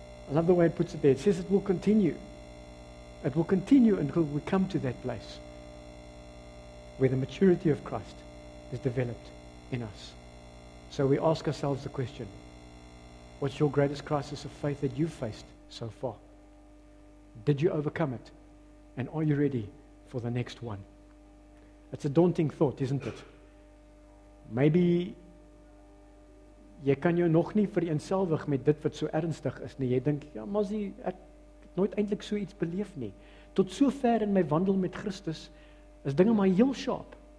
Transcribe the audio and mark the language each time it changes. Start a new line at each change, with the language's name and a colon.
English: I love the way it puts it there. It says it will continue. It will continue until we come to that place where the maturity of Christ is developed in us. So we ask ourselves the question, what's your greatest crisis of faith that you've faced so far? Did you overcome it? And are you ready for the next one? It's a daunting thought, isn't it?
Afrikaans: Maybe jy kan jou nog nie vereenselwig met dit wat so ernstig is nie. Jy dink, ja, Mazie, ek het nooit eintlik so iets beleef nie. Tot so ver in my wandel met Christus is dinge maar heel sharp.